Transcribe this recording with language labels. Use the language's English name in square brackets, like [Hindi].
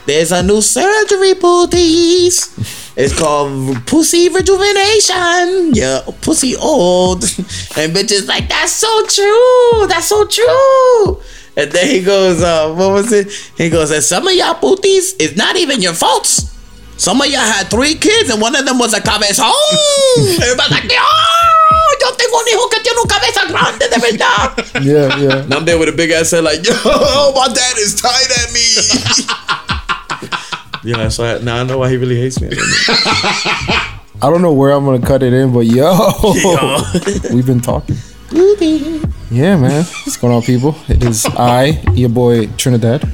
[English] There's a new surgery, booties. It's called pussy rejuvenation. Yeah, pussy old. And bitch is like, that's so true. That's so true. And then he goes, what was it? He goes, and some of y'all booties is not even your faults. Some of y'all had three kids and one of them was a cabezón. Everybody's like, oh, [Spanish] yo tengo un hijo que tiene una cabeza grande de verdad. [English] Yeah, yeah. And I'm there with a big ass head like, yo, my dad is tight at me. Yeah, so now I know why he really hates me. I don't know where I'm going to cut it in, but yo, we've been talking. Yeah, man. What's going on, people? It is I, your boy, Trinidad.